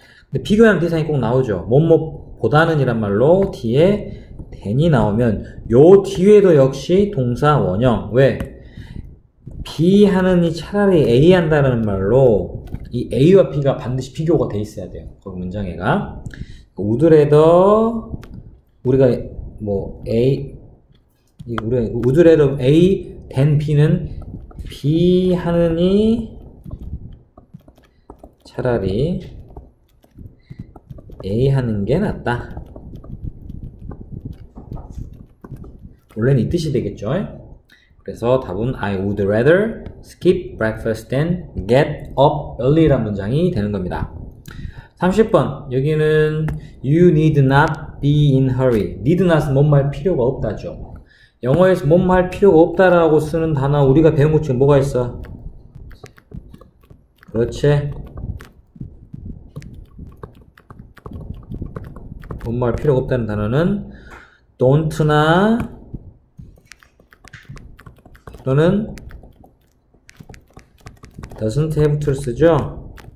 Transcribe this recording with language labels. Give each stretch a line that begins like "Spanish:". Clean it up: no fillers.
Korean: 근데 비교하는 대상이 꼭 나오죠. 뭐뭐보다는 이란 말로 뒤에 then이 나오면 요 뒤에도 역시 동사 원형. 왜? be 하느니 차라리 a 한다는 말로 이 a와 b가 반드시 비교가 돼 있어야 돼요. 그 문장에가. would rather 우리가 뭐 a 우리가
English: would rather a then b
Korean: 는 b 하느니 차라리 a 하는 게 낫다. 원래는 이 뜻이 되겠죠? 그래서 답은
English: I would rather skip breakfast than get up early란
Korean: 문장이 되는 겁니다. 30번 여기는
English: You need not be in hurry.
Korean: need not은 뭔 말 필요가 없다죠. 영어에서 뭔 말 필요가 없다라고 쓰는 단어 우리가 배운 것 중에 뭐가 있어? 그렇지. 뭔 말 필요가 없다는 단어는 don't나 또는 doesn't have to 쓰죠.